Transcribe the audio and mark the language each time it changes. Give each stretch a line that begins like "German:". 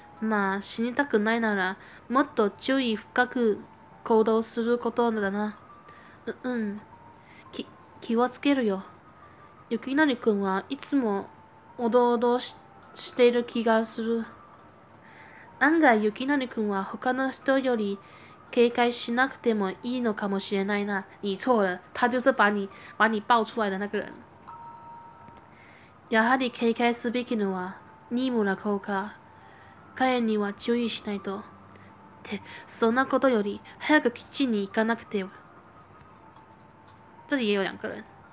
Japanese: まあ死にたくないならもっと注意深く行動することだな。うん。気をつけるよ。ゆきなりくんはいつもおどおど している気がする。案外ゆきなりくんは他の人より警戒しなくてもいいのかもしれないな。
Chinese: 你错了，他就是把你爆出来的那个人。
Japanese: やはり警戒すべきのは任務の効果。彼には注意しないと。って、そんなことより早く基地に行かなくては。
Chinese: 这里也有两个人。